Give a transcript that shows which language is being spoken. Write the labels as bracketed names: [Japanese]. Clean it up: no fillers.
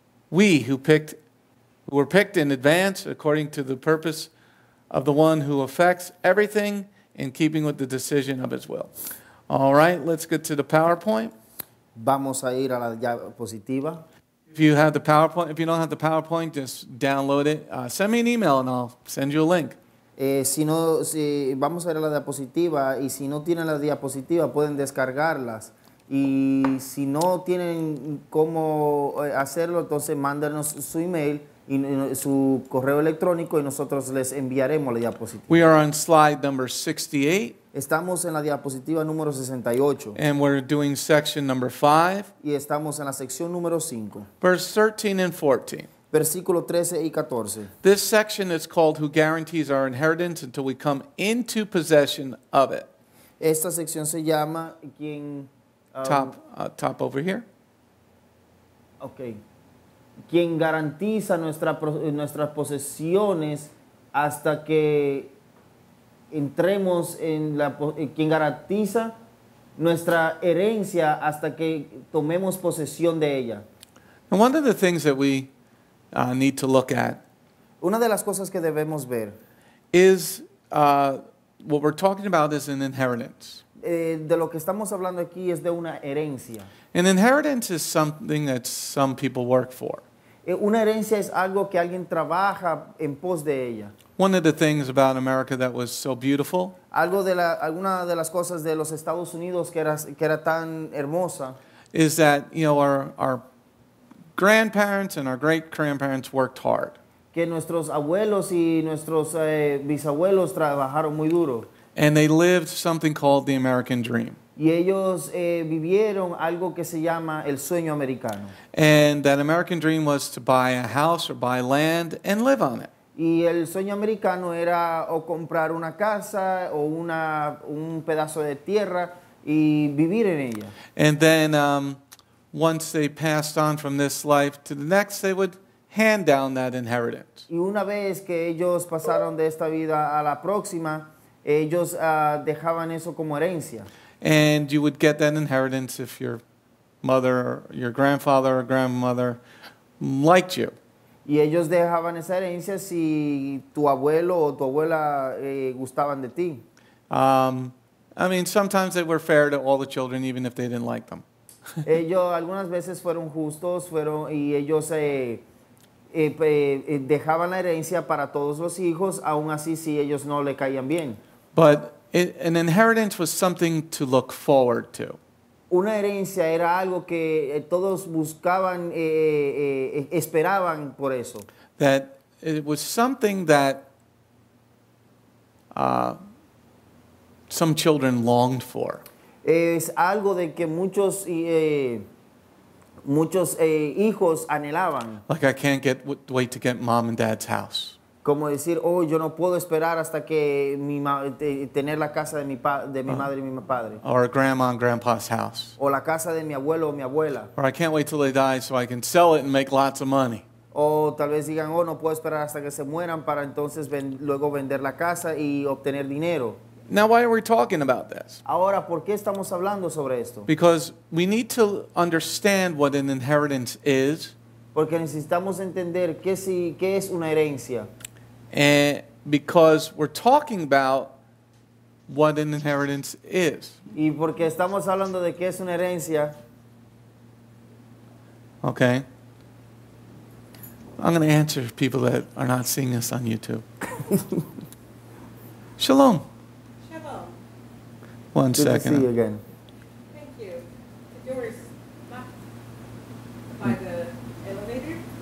[English] We who were picked in advance according to the purpose of the One who affects everything in keeping with the decision of His will. All right, let's get to the PowerPoint. [Spanish] Vamos a ir a la diapositiva. [English] If you have the PowerPoint, if you don't have the PowerPoint, just download it. Send me an email and I'll send you a link. [Spanish] Si vamos a ver la diapositiva y si no tienen la diapositiva pueden descargarlas y si no tienen cómo hacerlo entonces mándenos su email y su correo electrónico y nosotros les enviaremos la diapositiva. [English] We are on slide number 68. [Spanish] Estamos en la diapositiva número 68. [English] And we're doing section number 5. [Spanish] Y estamos en la sección número 5. [English] Verse 13 and 14. [Spanish] Versículo 13 y 14. [English] This section is called Who Guarantees Our Inheritance Until We Come Into Possession of It. [Spanish] Esta sección se llama ¿Quién? [English] Top over here. Okay. [Spanish] quien garantiza nuestras posesiones hasta que entremos en la, quien garantiza nuestra herencia hasta que tomemos posesión de ella. [English] And one of the things that we need to look at, [Spanish] una de las cosas que debemos ver, [English] is what we're talking about is an inheritance. [Spanish] De lo que estamos hablando aquí es de una herencia. [English] An inheritance is something that some people work for. [Spanish] Una herencia es algo que alguien trabaja en pos de ella. [English] One of the things about America that was so beautiful. [Spanish] Algo de la alguna de las cosas de los Estados Unidos que era tan hermosa. [English] Is that, you know, our grandparents and our great grandparents worked hard. [Spanish] Que nuestros abuelos y nuestros bisabuelos trabajaron muy duro. [English] And they lived something called the American dream. [Spanish] Y ellos vivieron algo que se llama el sueño americano. [English] And that American dream was to buy a house or buy land and live on it. [Spanish] Y el sueño americano era o comprar una casa o un pedazo de tierra y vivir en ella. [English] And then once they passed on from this life to the next, they would hand down that inheritance. [Spanish] Y una vez que ellos pasaron de esta vida a la próxima, ellos dejaban eso como herencia. [English] And you would get that inheritance if your mother, or your grandfather, or grandmother liked you. [Spanish] Y ellos dejaban esa herencia si tu abuelo o tu abuela gustaban de ti. [English] I mean, sometimes they were fair to all the children, even if they didn't like them. [Spanish] Ellos algunas veces fueron justos, fueron y ellos dejaban la herencia para todos los hijos, aun así si ellos no le caían bien. [English] But an inheritance was something to look forward to. [Spanish] Una herencia era algo que todos buscaban, esperaban por eso. [English] That it was something that some children longed for. [Spanish] Es algo de que muchos muchos hijos anhelaban. [English] Like, I can't wait to get mom and dad's house. [Spanish] Como decir, oh, yo no puedo esperar hasta que tener la casa de mi madre y mi padre. [English] Or grandma and grandpa's house. [Spanish] O la casa de mi abuelo o mi abuela. [English] Or I can't wait till they die so I can sell it and make lots of money. [Spanish] O tal vez digan, oh, no puedo esperar hasta que se mueran para entonces luego vender la casa y obtener dinero. [English] Now, why are we talking about this? [Spanish] Ahora, ¿por qué estamos hablando sobre esto? [English] Because we need to understand what an inheritance is. [Spanish] Porque necesitamos entender qué es una herencia. [English] And because we're talking about what an inheritance is. [Spanish] Y porque estamos hablando de qué es una herencia. [English] Okay. I'm going to answer people that are not seeing this on YouTube. [Hebrew] Shalom. Shalom. [English] One second. Good to see you again. Thank you. The door is locked by the elevator.